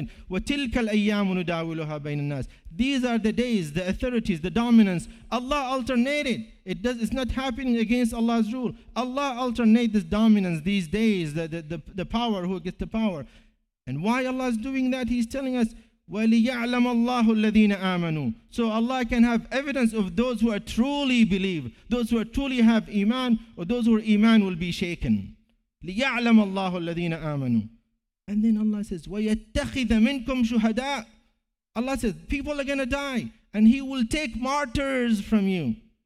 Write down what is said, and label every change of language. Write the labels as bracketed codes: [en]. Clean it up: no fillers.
[ar] وَتِلْكَ الْأَيَّامُ نُدَاوِلُهَا بَيْنَ النَّاسِ. [en] These are the days, the authorities, the dominance. Allah alternated. It's not happening against Allah's rule. Allah alternate this dominance, these days, the power, who gets the power. And why Allah is doing that? He's telling us, [ar] وَلِيَعْلَمَ اللَّهُ الَّذِينَ آمَنُوا. [en] So Allah can have evidence of those who are truly believe, those who are truly have iman, or those who are iman will be shaken. [ar] لِيَعْلَمَ اللَّهُ الَّذِينَ آمَنُوا. [en] And then Allah says, [ar] وَيَتَّخِذَ مِنْكُمْ شُهَدَاءَ. [en] Allah says, people are going to die, and He will take martyrs from you.